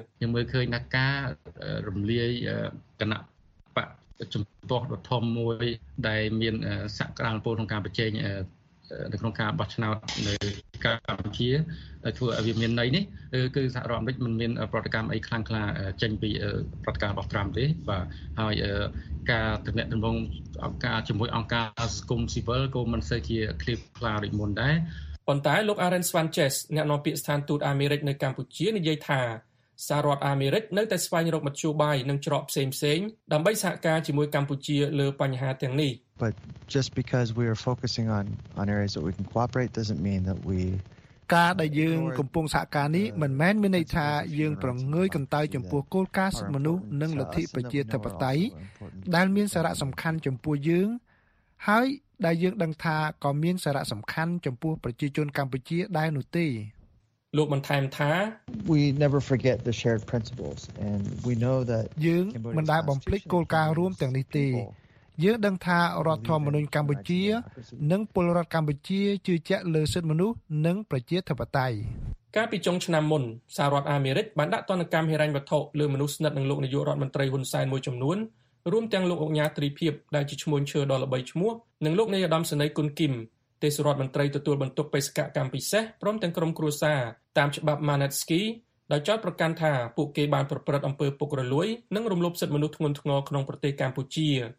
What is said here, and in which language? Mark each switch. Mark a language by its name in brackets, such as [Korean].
[Khmer] ខ្ញុំមើលឃើញថាការរំលាយគណៈបកជំទាស់ដ៏ធំមួយដែលមានសក្តានុពលក្នុងការប្រជែងនៅក្នុងការបោះឆ្នោតនៅកម្ពុជាដែលធ្វើឲ្យវាមានន័យនេះគឺសហរដ្ឋអាមេរិកមិនមានប្រតិកម្មអីខ្លាំងក្លាចេញពីប្រតិកម្មរបស់ត្រាំទេបាទហើយការទំនាក់ទំនងអង្គការជាមួយអង្គការសង្គមស៊ីវិលក៏មិនសូវជាឃ្លាតខ្លាដូចមុនដែរ ប៉ុន្តែលោក Aaron Swanches អ្នកនាំពាក្យស្ថានទូតអាមេរិកនៅកម្ពុជានិយាយថា សហរដ្ឋអាមេរិកនៅតែស្វែងរកមធ្យោបាយនិងច្រកផ្សេងៗដើម្បីសហការជាមួយកម្ពុជាលើបញ្ហាទាំងនេះ [English] But just because we are focusing on areas that we can cooperate doesn't mean that we [Khmer] ការដែលយើងកំពុងសហការនេះមិនមែនមានន័យថាយើងប្រងើយកន្តើយចំពោះគោលការណ៍សិទ្ធិមនុស្សនិងលទ្ធិប្រជាធិបតេយ្យដែលមានសារៈសំខាន់ចំពោះយើងហើយដែលយើងដឹងថាក៏មានសារៈសំខាន់ចំពោះប្រជាជនកម្ពុជាដែរនោះទេ លោកបន្ថែមថា [English] We never forget the shared principles and we know that [Khmer] យើងមិនដែលបំភ្លេចគោលការណ៍រួមទាំងនេះទេយើងដឹងថារដ្ឋធម្មនុញ្ញកម្ពុជានិងពលរដ្ឋកម្ពុជាជឿជាក់លើសិទ្ធិមនុស្សនិងប្រជាធិបតេយ្យ កាលពីចុងឆ្នាំមុនសហរដ្ឋអាមេរិកបានដាក់ទណ្ឌកម្មហិរញ្ញវត្ថុលើមនុស្សស្និទ្ធនឹងលោកនាយករដ្ឋមន្ត្រីហ៊ុនសែនមួយចំនួនរួមទាំងលោកអង្គការត្រីភិបដែលជាឈ្មោះឈើដ៏ល្បីឈ្មោះនិងលោកនាយឧត្តមសេនីយ៍គុនគីមទេសរដ្ឋមន្ត្រីទទួលបន្ទុកបេសកកម្មពិសេសព្រមទាំងក្រុមគ្រួសារតាមច្បាប់ Manetsky ដោយចោទប្រកាន់ថាពួកគេបានប្រព្រឹត្តអំពើពុករលួយនិងរំលោភសិទ្ធិមនុស្សធ្ងន់ធ្ងរក្នុងប្រទេសកម្ពុជា